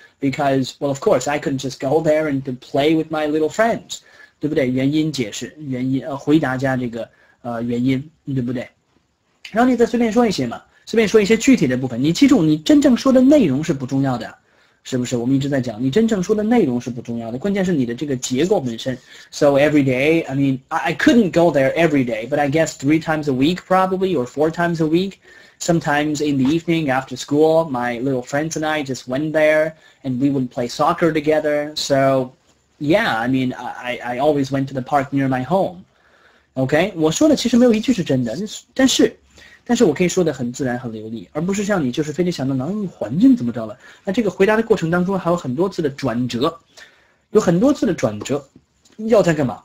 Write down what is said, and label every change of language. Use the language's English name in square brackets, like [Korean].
[English] Because, well, of course, I couldn't just go there and play with my little friends. [Chinese] 对不对？原因解释，回答加这个原因，对不对？然后你再随便说一些嘛，随便说一些具体的部分。你记住，你真正说的内容是不重要的，是不是？我们一直在讲，你真正说的内容是不重要的，关键是你的这个结构本身。 [English] So every day, I mean, I couldn't go there every day, but I guess 3 times a week probably, or 4 times a week. Sometimes in the evening after school, my little friends and I just went there, and we would play soccer together. So, yeah, I mean, I always went to the park near my home. [Chinese] Okay, 我说的其实没有一句是真的，但是我可以说得很自然很流利，而不是像你就是非得想到能用环境怎么着了。那这个回答的过程当中还有很多次的转折，有很多次的转折，要再干嘛？